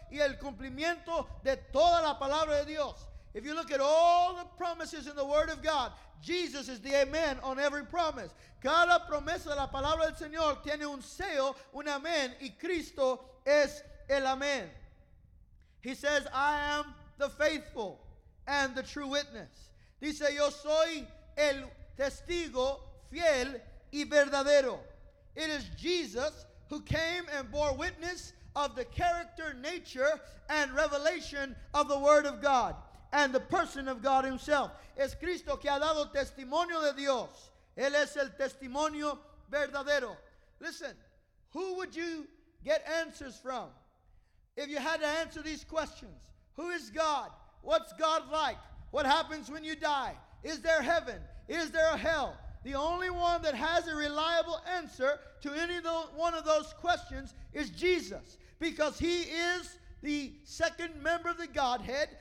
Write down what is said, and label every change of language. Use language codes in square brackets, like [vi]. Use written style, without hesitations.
[es] Y el cumplimiento de toda la palabra de Dios. [en] If you look at all the promises in the word of God, Jesus is the amen on every promise. [es] Cada promesa de la palabra del Señor tiene un sello, un amén. Y Cristo es el amén. [en] He says, I am the faithful and the true witness. [es] Dice, yo soy el testigo fiel y verdadero. [en] It is Jesus who came and bore witness of the character, nature, and revelation of the Word of God and the person of God himself. [es] Es Cristo que ha dado testimonio de Dios. Él es el testimonio verdadero. [en] Listen, who would you get answers from if you had to answer these questions? Who is God? What's God like? What happens when you die? Is there heaven? Is there a hell? The only one that has a reliable answer to any one of those questions is Jesus, because he is the second member of the Godhead.